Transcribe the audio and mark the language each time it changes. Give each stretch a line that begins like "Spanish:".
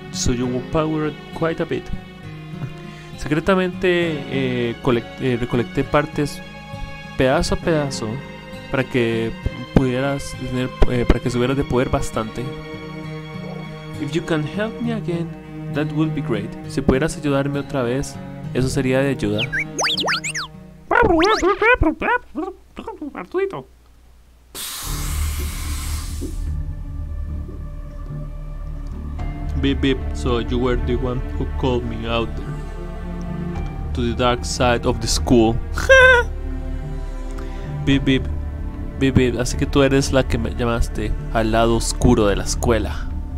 English: So you will power it quite a bit.
Spanish: Secretamente recolecté partes pedazo a pedazo para que pudieras tener, para que subieras de poder bastante.
English: If you can help me again, that would be great.
Spanish: Si pudieras ayudarme otra vez, eso sería de ayuda. Arturito.
English: Beep beep, so you were the one who called me out to the dark side of the school.
Spanish: Beep beep, beep beep, así que tú eres la que me llamaste al lado oscuro de la escuela.